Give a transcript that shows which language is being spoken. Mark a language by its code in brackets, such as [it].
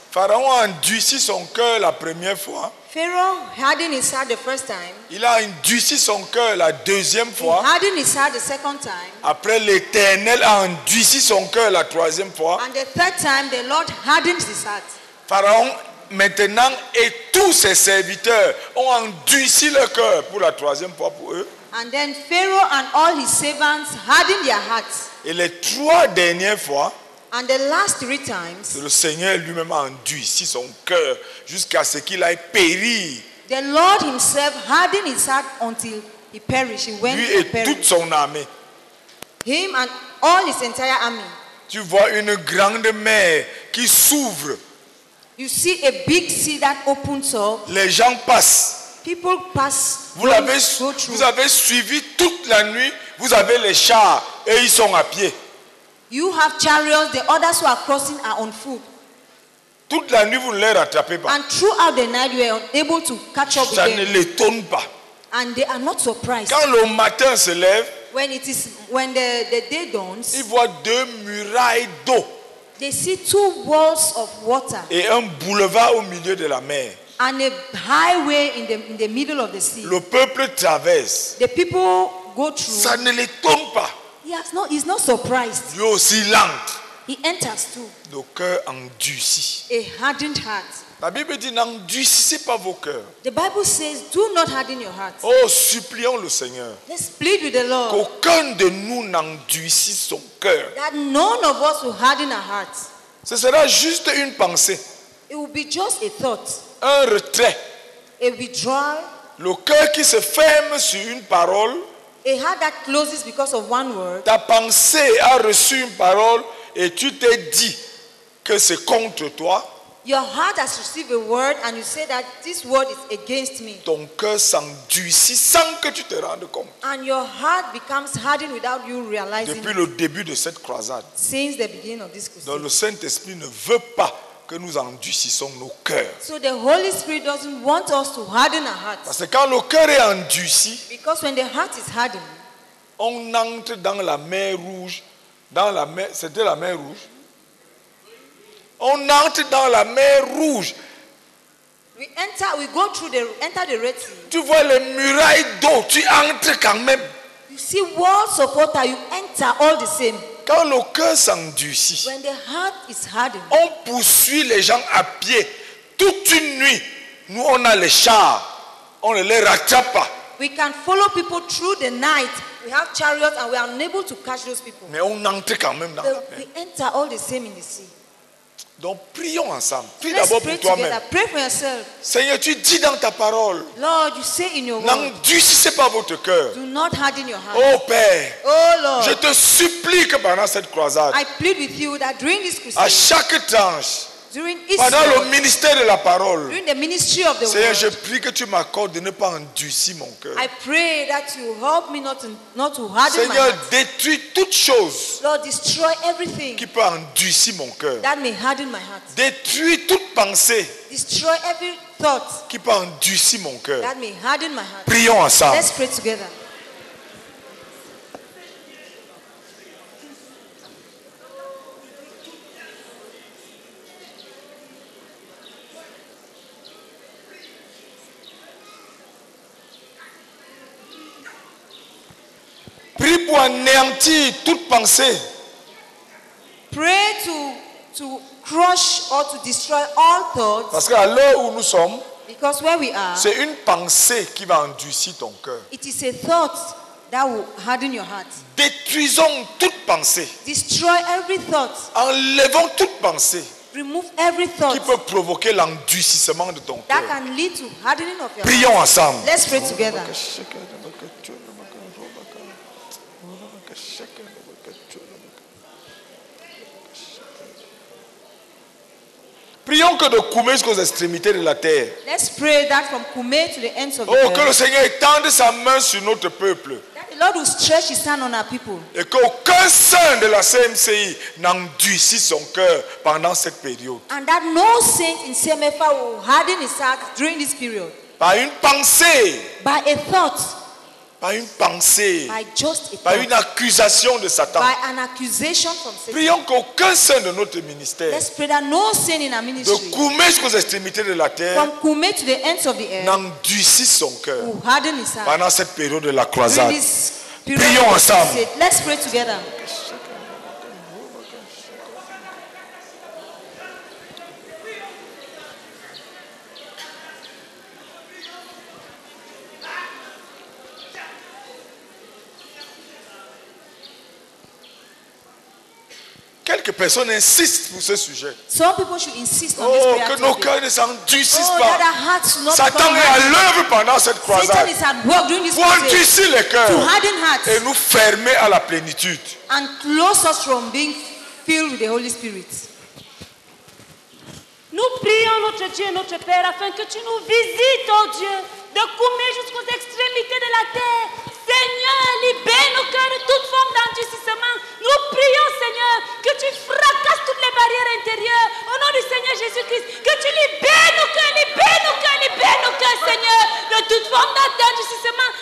[fr] Pharaon a endurci son cœur la première fois. [en] Pharaoh hardened his heart the first time. [fr] Il a endurci son cœur la deuxième fois. [en] He hardened his heart the second time. [fr] Après, l'Éternel a endurci son cœur la troisième fois. [en] And the third time, the Lord hardened his heart. [fr] Pharaon maintenant et tous ses serviteurs ont endurci leur cœur pour la troisième fois pour eux. [en] And then Pharaoh and all his servants hardened their hearts. [fr] Et les trois dernières fois. [en] And the last three times, [fr] le Seigneur lui-même a endurci son cœur jusqu'à ce qu'il aille périr. [en] The Lord himself hardened his heart until he perished. He went [fr] lui et toute son armée. [en] Him and all his entire army. [fr] Tu vois une grande mer qui s'ouvre. [en] You see a big sea that opens up. [fr] Les gens passent. [en] People pass. [fr] Vous l'avez, vous avez suivi toute la nuit. Vous avez les chars et ils sont à pied. [en] You have chariots, the others who are crossing are on foot. [fr] Toute la nuit, vous ne les rattrapez pas. [en] And throughout the night, you are unable to catch up with them. [fr] Ça ne l'étonne pas. [en] And they are not surprised. [fr] Quand le matin se lève, [en] when the day dawns, [fr] ils voient deux murailles d'eau. [en] They see two walls of water. [fr] Et un boulevard au milieu de la mer. [en] And a highway in the middle of the sea. [fr] Le peuple traverse. [en] The people go through. [fr] Ça ne l'étonne pas. [en] He's not surprised. [fr] Lui aussi l'entre. [en] He enters too. [fr] Le cœur endurci. [en] A hardened heart. [fr] La Bible dit n'endurcissez pas vos cœurs. [en] The Bible says do not harden your hearts. [fr] Oh, supplions le Seigneur. [en] Let's plead with the Lord. [fr] Qu'aucun de nous n'endurcisse son cœur. [en] That none of us will harden our hearts. [fr] Ce sera juste une pensée. [en] It will be just a thought. [fr] Un retrait. [en] A withdrawal. [fr] Le cœur qui se ferme sur une parole. [en] A heart that closes because of one word. [fr] Ta pensée a reçu une parole et tu t'es dit que c'est contre toi. [en] Your heart has received a word and you say that this word is against me. [fr] Ton cœur s'endurcit sans que tu te rendes compte. [en] And your heart becomes hardened without you realizing it. [fr] Depuis le début de cette croisade. [en] Since the beginning of this crusade. [fr] Donc le Saint-Esprit ne veut pas que nous endurcissons nos cœurs. [en] So the Holy Spirit doesn't want us to harden our hearts. [fr] Parce que quand le cœur est endurci. [en] Because when the heart is hardened. [fr] On entre dans la mer rouge. Dans la mer, c'était la mer rouge. On entre dans la mer rouge. [en] We enter the Red Sea. [fr] Tu vois les murailles d'eau, tu entres quand même. [en] You see walls of water, you enter all the same. [fr] Quand le cœur s'endurcit. [en] When the heart is hardened. [fr] On poursuit les gens à pied toute une nuit. Nous on a les chars, on ne les rattrape pas. [en] We can follow people through the night. We have chariots and we are unable to catch those people. [fr] Mais on entre quand même dans la mer. [en] We enter all the same in the sea. [fr] Donc prions ensemble. Prie [en] Let's [fr] d'abord pour [en] pray [fr] toi-même. [en] Together. Pray for yourself. [fr] Seigneur, tu dis dans ta parole. [en] Lord, you say in your word. [fr] N'endurcissez pas votre cœur. [en] Do not harden your heart. [fr] Oh Père. [en] Oh Lord. [fr] Je te supplie que pendant cette croisade. [en] I plead with you that during this crusade. [fr] À chaque tranche. [en] During each. [fr] Pendant le ministère de la parole. [en] During the ministry of the word. [fr] Seigneur, je prie que tu m'accordes de ne pas endurcir mon cœur. [en] I pray that you help me not to harden [fr] Seigneur, [en] my heart. [fr] Seigneur, détruis toutes choses. [en] Lord, destroy everything. [fr] Qui peut endurcir mon cœur. [en] That may harden my heart. [fr] Détruis toute pensée. [en] Destroy every thought. [fr] Qui peut endurcir mon cœur. [en] That may harden my heart. [fr] Prions ensemble. [en] Let's pray together. [fr] Prie pour anéantir toute pensée. [en] Pray to crush or to destroy all thoughts. [fr] Parce qu'à l'heure où nous sommes, [en] because where we are, [fr] c'est une pensée qui va endurcir ton cœur. [en] It is a thought that will harden your heart. [fr] Détruisons toute pensée. [en] Destroy every thought. [fr] Enlevons toute pensée. [en] Remove every thought [fr] qui peut provoquer l'endurcissement de ton cœur. [en] That can lead to hardening of your [fr] prions [en] heart. [fr] Prions ensemble. [en] Let's pray together. [fr] Prions que de Koumé jusqu'aux extrémités de la terre. [en] Let's pray that from Koumé to the ends of the earth. Oh, [fr] que le Seigneur étende sa main sur notre peuple. [en] That the Lord will stretch his hand on our people. [fr] Et qu'aucun saint de la CMCI n'endurcisse son cœur pendant cette période. [en] And that no saint in CMFA will harden his heart during this period. [fr] Par une pensée. [en] By a thought. [fr] Par une pensée. [en] By just a [fr] par une accusation de Satan. [en] By an accusation from Satan. [fr] Prions qu'aucun saint de notre ministère. [en] Let's pray that no saint in our ministry. [fr] De Koumé jusqu'aux extrémités de la terre. [en] From Koumé to the ends of the earth. [fr] N'endurcisse son cœur. [en] Will harden his heart. [fr] Pendant cette période de la croisade. [en] During this period. [fr] Prions ensemble. [en] Let's pray together. [fr] Quelques personnes insistent pour ce sujet. [en] Some people should insist on oh, this [fr] que nos cœurs ne s'endurcissent oh, pas. [en] That our hearts not [fr] Satan est à l'œuvre pendant cette croisade. [en] Satan is at work during this [fr] pour endurcir les cœurs [en] to harden hearts [fr] et nous fermer à la plénitude. [en] And close us from being filled with the Holy Spirit. [fr] Nous prions notre Dieu, notre Père, afin que tu nous visites, oh Dieu, de Koumé jusqu'aux extrémités de la terre. Seigneur, libère nos cœurs de toute forme d'endurcissement. Nous prions, Seigneur, que tu fracasses toutes les barrières intérieures. Au nom du Seigneur Jésus-Christ, que tu libères nos cœurs, libère nos cœurs, libère nos cœurs, Seigneur, de toute forme d'endurcissement.